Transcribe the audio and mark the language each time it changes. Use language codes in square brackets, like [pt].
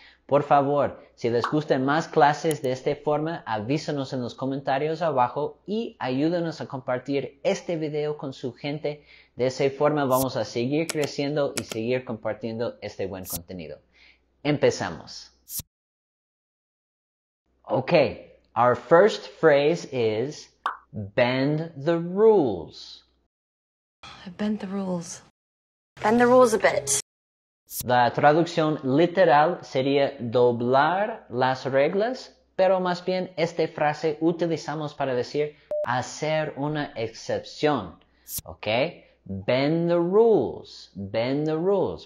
[es] Por favor, si les gustan más clases de esta forma, avísanos en los comentarios abajo y ayúdenos a compartir este video con su gente. De esa forma vamos a seguir creciendo y seguir compartiendo este buen contenido. Empezamos. [en] Okay, our first phrase is bend the rules. Bend the rules. Bend the rules a bit. [es] La traducción literal sería doblar las reglas, pero más bien esta frase utilizamos para decir hacer una excepción. [en] Okay, bend the rules, bend the rules.